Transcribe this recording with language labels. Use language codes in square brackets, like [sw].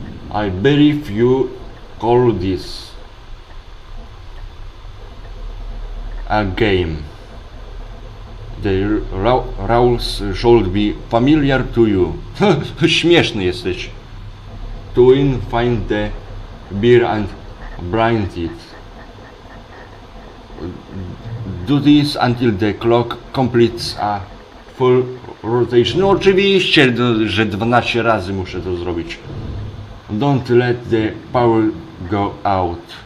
[en] I believe you call this a game. The rules should be familiar to you. [pl] Śmieszny jesteś. [en] To win, find the beer and blind it. Do this until the clock completes a full rotation. [pl] No oczywiście, że 12 razy muszę to zrobić. [en] Don't let the power go out.